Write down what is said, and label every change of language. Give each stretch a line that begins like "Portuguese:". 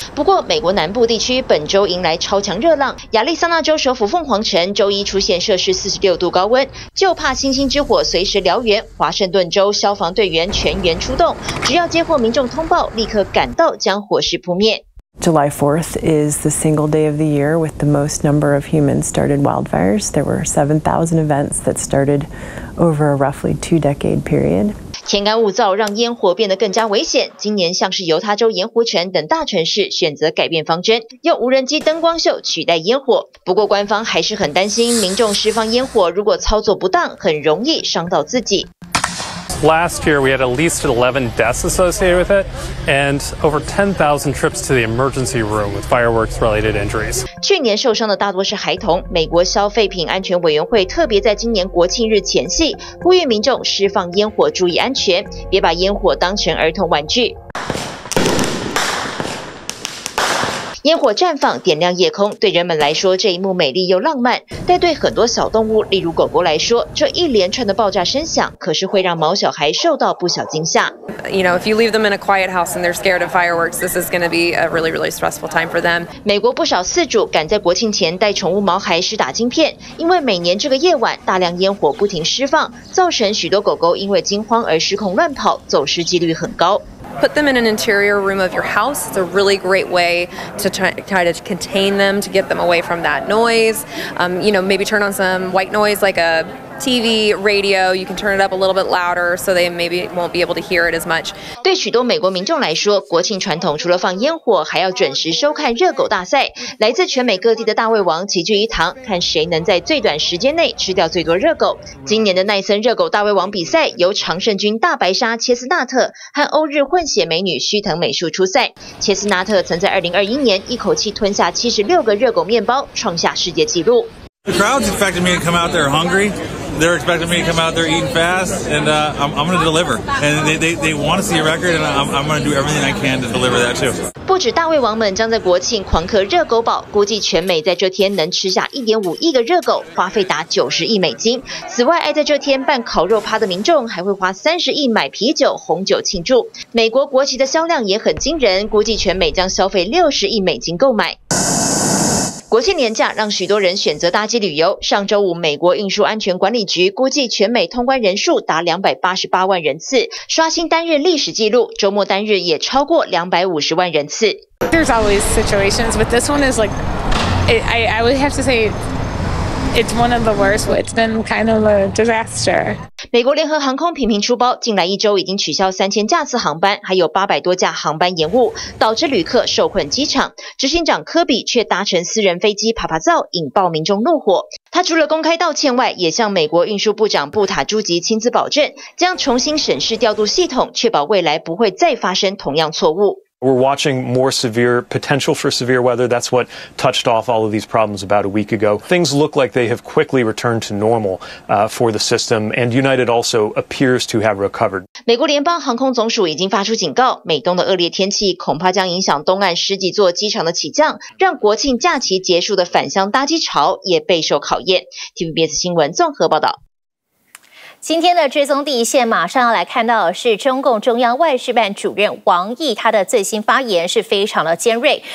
Chinese: 不过，美国南部地区本周迎来超强热浪，亚利桑那州首府凤凰城周一出现摄氏46度高温，就怕星星之火随时燎原。华盛顿州消防队员全员出动，只要接获民众通报，立刻赶到将火势扑灭。
English: July 4th is the single day of the year with the most number of human-started wildfires. There were 7,000 events that started over a roughly two-decade period.
Chinese: 天干物燥让烟火变得更加危险。今年像是犹他州盐湖城等大城市选择改变方针，用无人机灯光秀取代烟火。不过官方还是很担心，民众释放烟火如果操作不当，很容易伤到自己。
English: Last year, we had at least 11 deaths associated with it, and over 10,000 trips to the emergency room with fireworks-related injuries.
Chinese: 去年受伤的大多是孩童。美国消费品安全委员会特别在今年国庆日前夕呼吁民众释放烟火，注意安全，别把烟火当成儿童玩具。烟火绽放，点亮夜空。对人们来说，这一幕美丽又浪漫；但对很多小动物，例如狗狗来说，这一连串的爆炸声响可是会让毛小孩受到不小惊吓。
English: You know, if you leave them in a quiet house and they're scared of fireworks, this is going to be a really, really stressful time for them.
Chinese: 美国不少饲主赶在国庆前带宠物毛孩施打晶片，因为每年这个夜晚大量烟火不停释放，造成许多狗狗因为惊慌而失控乱跑，走失几率很高。
English: Put them in an interior room of your house. It's a really great way to try to contain them, to get them away from that noise. You know, maybe turn on some white noise like a TV, radio. You can turn it up a little bit louder so they maybe won't be able to hear it as much.
Chinese: 对许多美国民众来说，国庆传统除了放烟火，还要准时收看热狗大赛。来自全美各地的大胃王齐聚一堂，看谁能在最短时间内吃掉最多热狗。今年的奈森热狗大胃王比赛由常胜军大白鲨切斯纳特和欧日混血美女须藤美树出赛。切斯纳特曾在2021年一口气吞下76个热狗面包，创下世界纪录。
English: The crowd's expecting me to come out there hungry. They're expecting me to come out there eating fast, and I'm going to deliver. And they want to see a record, and I'm going to do everything I can to deliver that too.
Chinese: 不止大胃王们将在国庆狂嗑热狗堡，估计全美在这天能吃下1.5亿个热狗，花费达90亿美金。此外，爱在这天办烤肉趴的民众还会花30亿买啤酒、红酒庆祝。美国国旗的销量也很惊人，估计全美将消费60亿美金购买。国庆年假让许多人选择搭机旅游。上周五，美国运输安全管理局估计全美通关人数达288万人次，刷新单日历史纪录。周末单日也超过250万人次。
English: There's always situations, but this one is like, I would have to say. It's one of the worst. It's been kind of a disaster.
Chinese: 美国联合航空频频出包，近来一周已经取消3000架次航班，还有800多架航班延误，导致旅客受困机场。执行长科比却搭乘私人飞机爬爬灶，引爆民众怒火。他除了公开道歉外，也向美国运输部长布塔朱吉亲自保证，将重新审视调度系统，确保未来不会再发生同样错误。
English: We're watching more severe, potential for severe weather. That's what touched off all of these problems about a week ago. Things look like they have quickly returned to normal, for the system, and United also appears to have recovered.
Chinese: 美国联邦航空总署已经发出警告，美东的恶劣天气恐怕将影响东岸十几座机场的起降，让国庆假期结束的返乡搭机潮也备受考验。 TVBS 新闻综合报道。今天的追踪第一线马上要来看到的是中共中央外事办主任王毅，他的最新发言是非常的尖锐。